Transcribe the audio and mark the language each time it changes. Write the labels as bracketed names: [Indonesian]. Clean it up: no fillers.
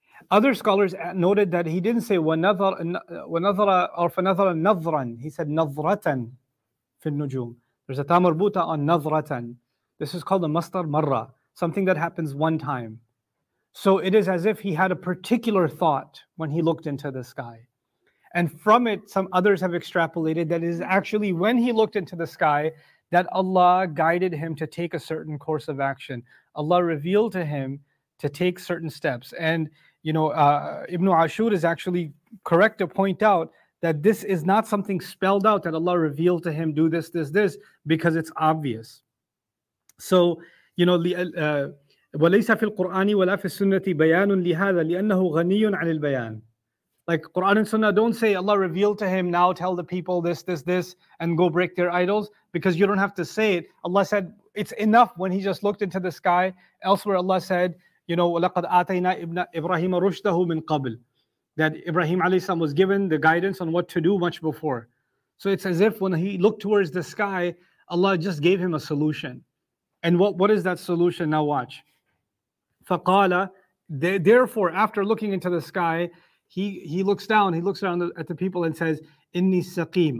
[English] Other scholars noted that he didn't say [Arabic] وَنَظَرَ [English] or [Arabic] فَنَظَرَ نَظْرًا. [English] He said [Arabic] نَظْرَةً فِي النُّجُومِ. [English] There's a تَامَرْبُوتَ on نَظْرَةً. This is called a مَصْدَر مَرَّة. Something that happens one time. So it is as if he had a particular thought when he looked into the sky. And from it, some others have extrapolated that it is actually when he looked into the sky that Allah guided him to take a certain course of action. Allah revealed to him to take certain steps. And, you know, Ibn Ashur is actually correct to point out that this is not something spelled out, that Allah revealed to him, do this, this, this, because it's obvious. So, you know, [Arabic] وَلَيْسَ فِي الْقُرْآنِ وَلَا فِي السُّنَّةِ بَيَانٌ لِهَذَا لِأَنَّهُ غَنِيٌ عَنِ الْبَيَانِ. [English] Like, Quran and Sunnah don't say, Allah revealed to him, now tell the people this, this, this, and go break their idols, because you don't have to say it. Allah said, it's enough when he just looked into the sky. Elsewhere Allah said, you know, [Arabic] وَلَقَدْ آتَيْنَا إِبْرَاهِيمَ رُشْدَهُ مِنْ قَبْلِ. [English] That Ibrahim alayhi salam was given the guidance on what to do much before. So it's as if when he looked towards the sky, Allah just gave him a solution. And what is that solution? Now watch. [Arabic] فَقَالَ. [English] Therefore, after looking into the sky, He looks down, he looks around at the people and says, [Arabic] إِنِّي سَقِيم.